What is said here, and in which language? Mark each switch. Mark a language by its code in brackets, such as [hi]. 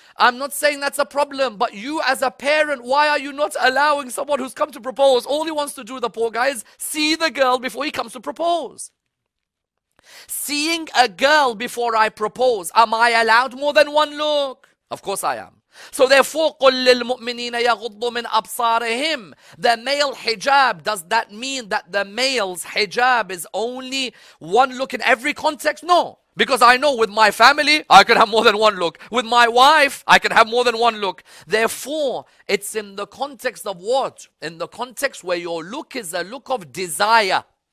[en] I'm not saying that's a problem, but you as a parent, why are you not allowing someone who's come to propose? All he wants to do, the poor guy, is see the girl before he comes to propose. Seeing a girl before I propose, am I allowed more than one look? Of course I am. So therefore, [ar] قُلْ لِلْمُؤْمِنِينَ يَغُضُّوا مِنْ أَبْصَارِهِمْ. [en] The male hijab, does that mean that the male's hijab is only one look in every context? No. Because I know with my family, I can have more than one look. With my wife, I can have more than one look. Therefore, it's in the context of what? In the context where your look is a look of desire.